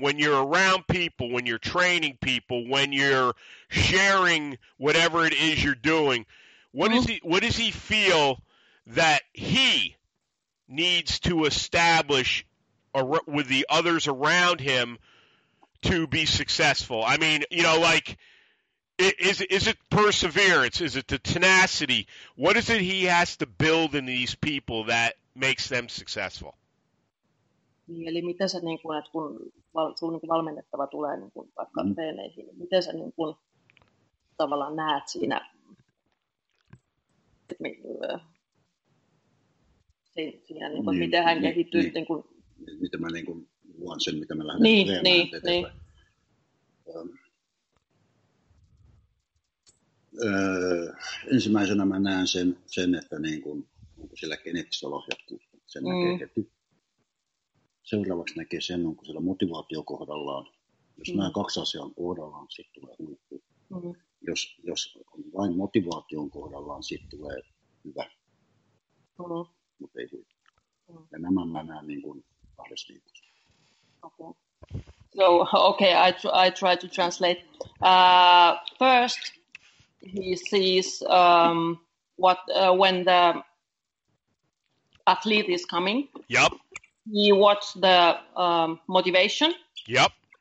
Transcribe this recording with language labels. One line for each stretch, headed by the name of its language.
English: When you're around people, when you're training people, when you're sharing whatever it is you're doing, what does he feel that he needs to establish with the others around him to be successful? I mean, you know, like, is it perseverance? Is it the tenacity? What is it he has to build in these people that makes them successful?
Finnish: Niin, eli mitä sä, niin kun, että kun sun niin kun valmennettava tulee niin kun, vaikka treeneihin, niin mitä sä niin kun, tavallaan näet siinä, siinä niin kun, niin, miten hän niin, kehittyy? Niin, niin kun, mitä mä niin kun, luon sen, mitä mä lähden niin, treenaan niin, eteenpäin. Niin. Ensimmäisenä mä näen sen että niin kuin onko siellä geneettistä lahjakkuutta, sen näkee heti. Seuraavaksi näkee sen, onko siellä motivaatio kohdallaan. Jos nämä kaksi asiaa on kohdallaan, sitten tulee huippu. Jos on vain motivaatio on kohdallaan, sitten tulee hyvä. Mutta ei huippu. Ja nämä mä näen niin kuin kahdessa viikossa.
English: So, okay, I try to translate. First, he sees when the athlete is coming. Yep. He watches the motivation. Yep.